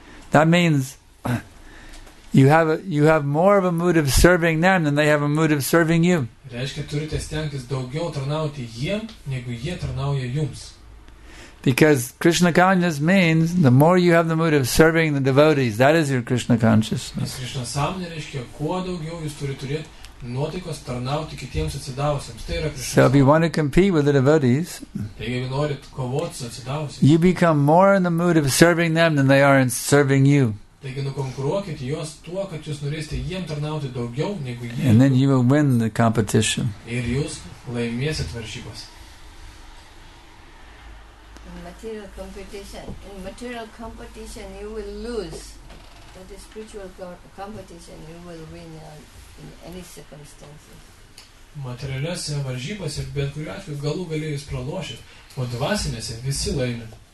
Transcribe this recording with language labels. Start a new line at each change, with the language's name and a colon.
English: That means you have more of a mood of serving them than they have a mood of serving you.
Lithuanian: Reiškia, turite stengtis daugiau tarnauti jiem, negu jie tarnauja jums.
English: Because Krishna consciousness means the more you have the mood of serving the devotees, that is your Krishna consciousness.
Lithuanian: Krishna samnė reiškia, kuo daugiau jūs turi turėti nuotaikos tarnauti kitiems atsidavusiems. Tai yra Krishna.
English: So if you want to compete with the devotees,
Lithuanian: jeigu norit kovoti su atsidavusiems,
English: you become more in the mood of serving them than they are in serving you.
Lithuanian: Taigi nukonkuruokit juos tuo, kad jūs norėsite jiems tarnauti daugiau negu jie.
English: And then you will win the competition.
Lithuanian: Ir jūs laimėsit varžybas.
English: In material competition, you will lose. But in spiritual competition, you will win in any circumstances.
Lithuanian: Materialiose varžybose bet kuriuo atveju galų gali jūs pralošit, o dvasinėse visi laimi.